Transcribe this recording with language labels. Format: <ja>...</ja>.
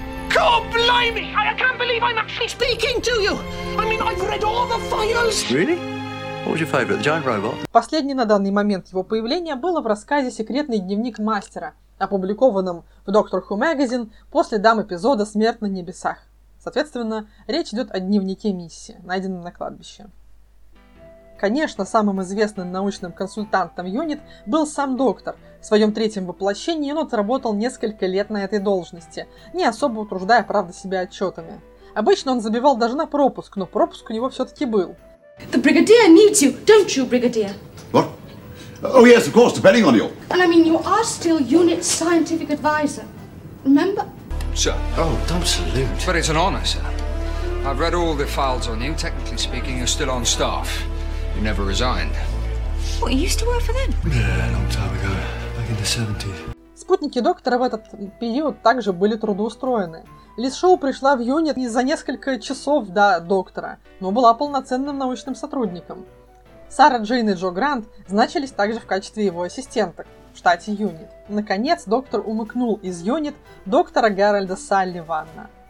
<en>God blimey! I can't believe I'm actually speaking to you! I mean, I've read all the files! Really? What was your favorite? The giant robot?</en> <ru>Последний на данный момент его появления было в рассказе «Секретный дневник Мастера», опубликованном в Doctor Who Magazine после дам-эпизода «Смерть на небесах». Соответственно, речь идет о дневнике Мисси, найденном на кладбище. Конечно, самым известным научным консультантом ЮНИТ был сам Доктор. В своем третьем воплощении он отработал несколько лет на этой должности, не особо утруждая, правда, себя отчетами. Обычно он забивал даже на пропуск, но пропуск у него все-таки был.</ru> <en>The Brigadier needs you, don't you, Brigadier? What? Oh yes, of course, depending on you. And I mean, you are still ЮНИТ's scientific advisor, remember? Sir. Oh, don't salute. But it's an honor, sir. I've read all the files on you. Technically speaking, you're still on staff. You never resigned. What, you used to work for them? Yeah, a long time ago, back in the 70s.</en> <ru>Спутники Доктора в этот период также были трудоустроены. Лиз Шоу пришла в ЮНИТ за несколько часов до Доктора, но была полноценным научным сотрудником. Сара Джейн и Джо Грант значились также в качестве его ассистенток в штате ЮНИТ. Наконец, Доктор умыкнул из ЮНИТ Доктора Гарольда Салливана.</ru>